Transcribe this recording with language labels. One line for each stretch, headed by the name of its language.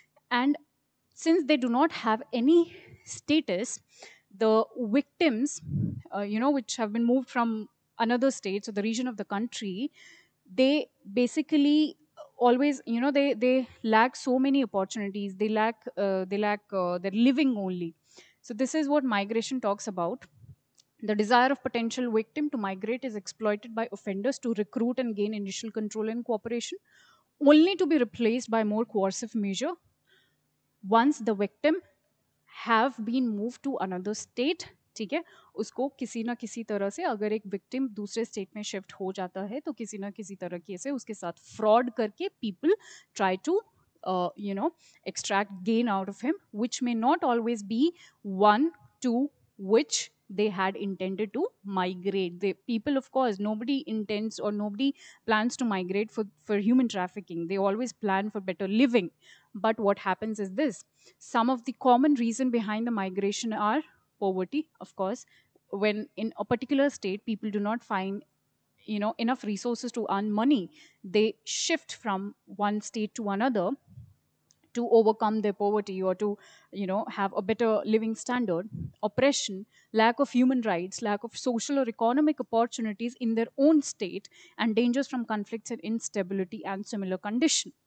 English: And since they do not have any status, the victims, which have been moved from another state, so the region of the country, they basically always, you know, they lack so many opportunities. They lack their living only. So this is what migration talks about. The desire of potential victim to migrate is exploited by offenders to recruit and gain initial control and cooperation, only to be replaced by more coercive measure. Once the victim have been moved to another state,
Hindi: ठीक है, उसको किसी ना किसी तरह से, अगर एक विक्टिम दूसरे स्टेट में शिफ्ट हो जाता है, तो किसी ना किसी तरह से उसके साथ फ्रॉड करके
English: People try to you know extract gain out of him, which may not always be one to which they had intended to migrate. The people of course, nobody intends or nobody plans to migrate for human trafficking. They always plan for better living. But what happens is this, some of the common reason behind the migration are poverty, of course. When in a particular state, people do not find, you know, enough resources to earn money, they shift from one state to another to overcome their poverty or to, you know, have a better living standard. Oppression, lack of human rights, lack of social or economic opportunities in their own state, and dangers from conflicts and instability and similar condition.